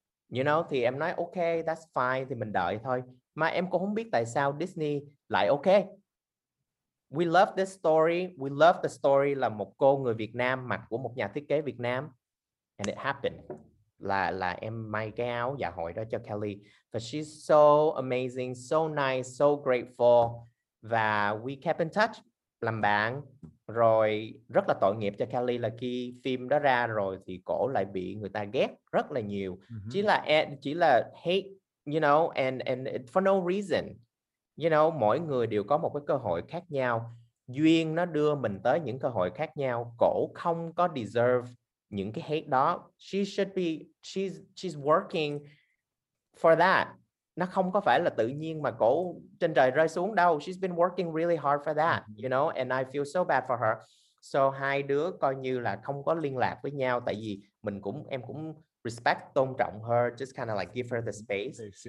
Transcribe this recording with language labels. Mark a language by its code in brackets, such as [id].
[en] You know, [vi] thì em nói ok, [en] that's fine, [vi] thì mình đợi thôi. Mà em cũng không biết tại sao Disney lại ok. [en] We love this story, we love the story [vi] là một cô người Việt Nam mặc của một nhà thiết kế Việt Nam. [en] And it happened. [vi] Là em may cái áo dạ hội đó cho Kelly. [en] But she's so amazing, so nice, so grateful. [vi] Và [en] we kept in touch, [vi] làm bạn. Rồi rất là tội nghiệp cho Kelly là khi phim đó ra rồi thì cổ lại bị người ta ghét rất là nhiều. Chỉ là [en] hate, you know, and for no reason. You know, [vi] mỗi người đều có một cái cơ hội khác nhau. Duyên nó đưa mình tới những cơ hội khác nhau. Cổ không có deserve những cái hate đó. [en] She's working for that. [vi] Nó không có phải là tự nhiên mà cổ trên trời rơi xuống đâu. [en] She's been working really hard for that, you know, and I feel so bad for her. [vi] So hai đứa coi như là không có liên lạc với nhau, tại vì em cũng respect, tôn trọng her, [en] just kind of like give her the space.